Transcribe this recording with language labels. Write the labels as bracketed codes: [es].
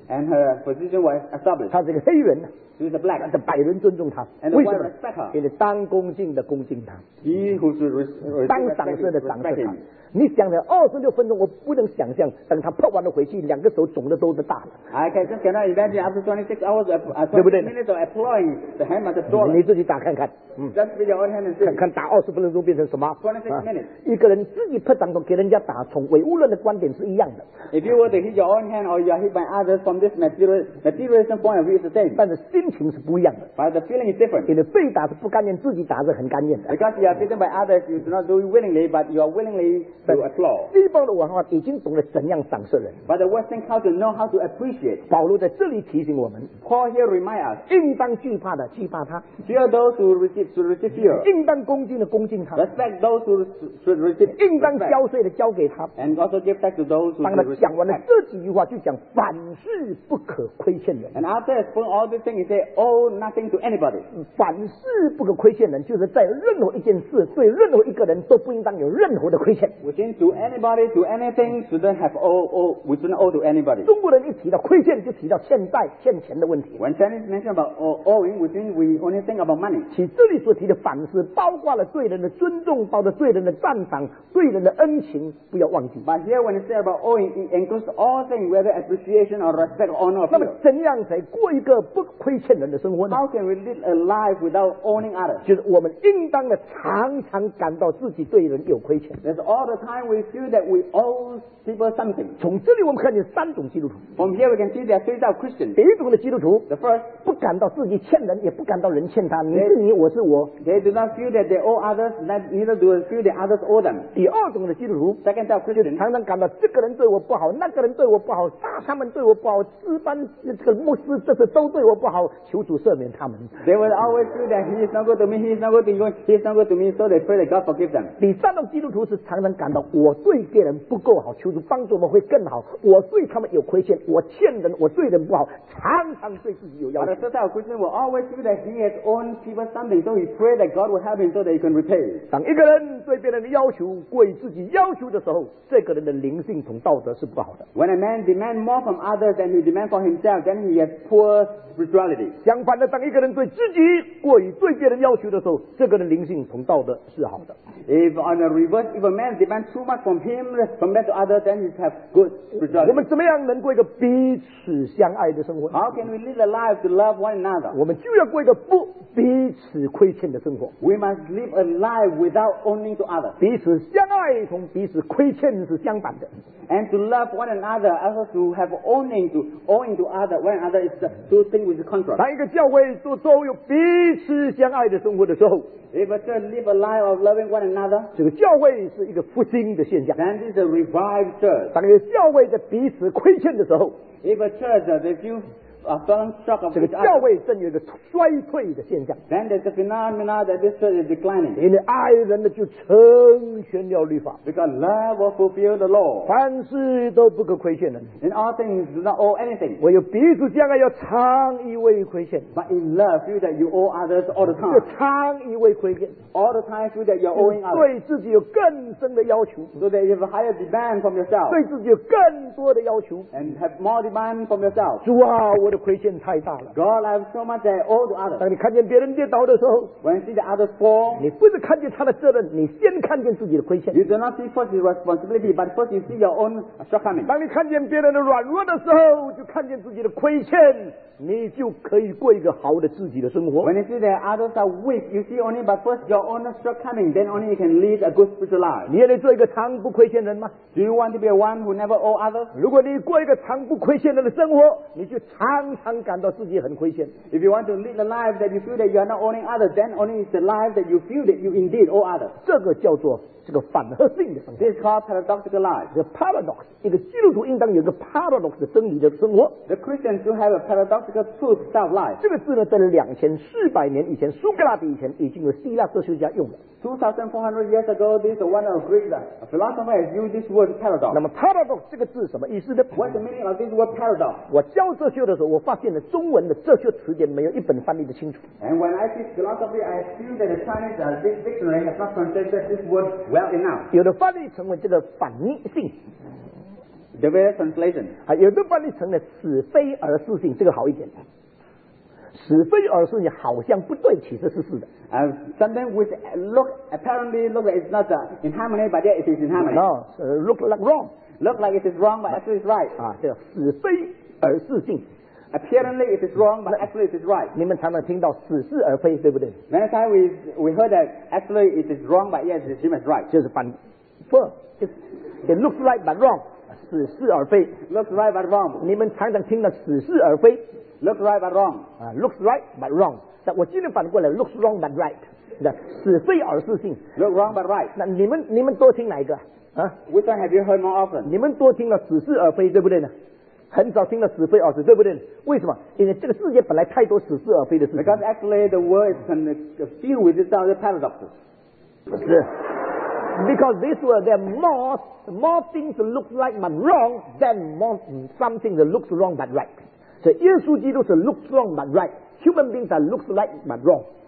[en] And her position was established. [zh] 他是个黑人。 [en] She's a black. [zh] 这百人尊重他。 [en] And the white respect her. [zh] 给你当恭敬的恭敬他。 [en] He who should respect him. [zh] 当赏赐的赏赐他。你想想，26分钟，我不能想象，等他拍完了回去，两个手肿的都是大了。 [en] I can just cannot imagine after 26 hours of minutes of applying the hammer to the door. [zh] 你自己打看看。 [en] Just with your own hand and see. [zh] 看看打20分钟变成什么？ [en] 26 minutes. [zh] 一个人自己拍掌都给人家打，从唯物论的观点是一样的。 [en] If you were to hit your own hand or you are hit by others from this materialism point of view, it's the same. [zh] 但是心情是不一样的。 [en] But the feeling is different. [zh] 因为被打是不甘愿，自己打是很甘愿的。 [en] Because you are beaten by others, you do not do it willingly, but you are willingly to applaud. [zh] 西方的文化已经懂得怎样赏识人。 [en] But the Western culture know how to appreciate. [zh] 保罗在这里提醒我们。 [en] Paul here reminds us. [zh] 应当惧怕的惧怕他。 [en] Fear those who receive fear. [zh] 应当恭敬的恭敬他。 [en] Respect those who should receive. [zh] 应当交税的交给他。 [en] And also give back to those who. [zh] 当他讲完了这几句话，就讲凡事不可亏欠人。 [en] And after explaining all these things, he said, owe nothing to anybody. [zh] 凡事不可亏欠人，就是在任何一件事对任何一个人都不应当有任何的亏欠。 [en] To anybody, to anything, shouldn't have owe. We shouldn't owe to anybody. [zh] 中国人一提到亏欠，就提到欠债、欠钱的问题。 [en] When Chinese mention about owing, we think we only think about money. [zh] 其这里所提的反思，包括了对人的尊重，包括对人的赞赏，对人的恩情，不要忘记。 [en] But here, when it's about owing, it includes all things, whether appreciation or respect or honor. [zh] 那么怎样才过一个不亏欠人的生活呢 [en] ？How can we live a life without owing others? [zh] 就是我们应当的常常感到自己对人有亏欠。 [en] There's all the time time we feel that we owe people something. [zh] 从这里我们看见三种基督徒。 [en] From here we can see there are three types of Christians. [zh] 第一种的基督徒 [en] ，the first， [zh] 不感到自己欠人，也不感到人欠他。你是你，我是我。 [en] They do not feel that they owe others, neither do they feel that others owe them. [zh] 第二种的基督徒 [en] ，second type of Christian， [zh] 常常感到这个人对我不好，那个人对我不好，他们对我不好，诸般这个牧师这些都对我不好，求主赦免他们。 [en] They will always feel that he is not good to me, he is not good to you, he is not good to me, so they pray that God forgive them. [zh] 第三种基督徒是常常感到我对别人不够好，求主帮助我们会更好。我对他们有亏欠，我欠人，我对人不好，常常对自己有要求。 [en] But the third type of Christian will always feel that he has owed people something, so he pray that God will help him so that he can repay. [zh] 当一个人对别人的要求过自己要求的时候，这个人的灵性同道德是不好的。 [en] When a man demands more from others than he demands for himself, then he has poor spirituality. [zh] 相反的，当一个人对自己过于对别人要求的时候，这个人灵性同道德是好的。 [en] If on the reverse, if a man demands too much from him from that to others, then he has good spirituality. [zh] 我们怎么样能过一个彼此相爱的生活？ [en] How can we live a life to love one another? [zh] 我们就要过一个不彼此亏欠的生活。 [en] We must live a life without owing to others. [zh] 彼此相爱同彼此亏欠是相反的。 [en] And to love one another, also to have owing to other one another is two things with the contrast. [zh] 当一个教会都有彼此相爱的生活的时候 [en] ，If a church live a life of loving one another, [zh] 这个教会是一个复兴的现象。 [en] Then this is a revived church. [zh] 当一个教会在彼此亏欠的时候 [en] ，If a church they feel fallen shock of [zh] 这个教会正有一个衰退的现象。 [en] Then there's a phenomenon that this church is declining. [zh] 因为爱人的就成全了律法。 [en] Because love will fulfill the law. [zh] 凡事都不可亏欠人。 [en] In all things, do not owe anything. [zh] 唯有彼此相爱，要常以为亏欠。 [en] But in love, feel that you owe others all the time. [zh] 就常以为亏欠。 [en] All the time, feel that you're owing others. [zh] 对自己有更深的要求。 [en] So that you have a higher demand from yourself. [zh] 对自己有更多的要求。 [en] And have more demand from yourself. [zh] 主啊，我亏欠太大了。 [en] God, I have so much that I owe to others. [zh] 当你看见别人跌倒的时候 [en] ，When you see the others fall, [zh] 你不是看见他的责任，你先看见自己的亏欠。 [en] You do not see first his responsibility, but first you see your own shortcoming. [zh] 当你看见别人的软弱的时候，就看见自己的亏欠，你就可以过一个好的自己的生活。 [en] When you see that others are weak, you see only but first your own shortcoming, then only you can lead a good spiritual life. [zh] 你愿意做一个常不亏欠人吗 [en] ？Do you want to be one who never owe others? [zh] 如果你过一个常不亏欠人的生活，你就常常感到自己很亏欠。 [en] If you want to live a life that you feel that you are not owing others, then only is the life that you feel that you indeed owe others. [zh] 这个叫做这个反合性的生活。 [en] This is called paradoxical life. The paradox. [zh] 一个基督徒应当有一个 paradox 的真理的生活。 [en] The Christian should have a paradoxical truth of life. [zh] 这个字呢，在2400年以前，苏格拉底以前已经有希腊哲学家用了。 [en] 2400 years ago, this is one of Greek philosopher has used this word paradox. [zh] 那么 paradox 这个字什么意思呢 [en] ？What's the meaning of this word paradox? [zh] 我教哲学的时候，我发现了中文的哲学词典没有一本翻译的清楚。 [en] And when I teach philosophy, I assume that the Chinese dictionary has not translated this word well enough. [zh] 有的翻译成为这个反逆性。 [en] The very translation. [zh] 啊，有的翻译成了是非而是性，这个好一点。是非而是你好像不对，其实是是的。 [en] Something which look apparently look like it's not in harmony, but yet it is in harmony. No, look like wrong. Look like it is wrong, but actually it's right. [zh] 啊，这是非而是性。 [en] Apparently it is wrong, but actually it is right. [zh] 你们常常听到似是而非，对不对 [en] ？Many times we heard that actually it is wrong, but yet it is right. [zh] 就是反，不 [en] ，it looks right but wrong. [zh] 似是而非 [en] ，looks right but wrong. [zh] 你们常常听到似是而非。 [en] Looks right but wrong. Looks right but wrong. [zh] 那我今天反过来 ， [en] looks wrong but right. [zh] 那是非而是性。 [en] Look wrong but right. [zh] 那你们多听哪一个？啊 [en] ？Which one have you heard more often? [zh] 你们多听了似是而非，对不对呢？很少听了是非而是，对不对？为什么？因为这个世界本来太多似是而非的事情。 [en] Because actually the world is kind of filled with these other paradoxes. [zh] 不是。 [en] Because this world, there are more things that look like but wrong than something that looks wrong but right. So, [zh] 耶稣基督是 [en] looks wrong but right. Human beings are looks right but wrong.